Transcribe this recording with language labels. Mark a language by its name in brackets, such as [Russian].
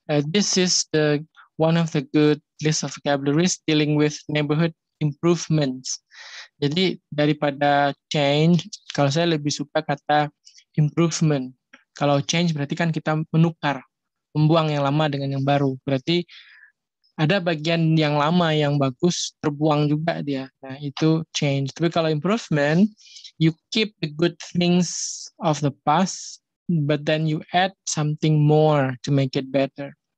[English] This is the one of the good list of vocabularies dealing with neighborhood improvements. [Indonesian] Jadi daripada change, kalau saya lebih suka kata improvement. Kalau change berarti kan kita menukar, membuang yang lama dengan yang baru. Berarti ada bagian yang lama yang bagus terbuang juga dia. Nah, itu change. Tapi kalau [English] improvement, you keep the good things of the past, but then you add something more to make it better.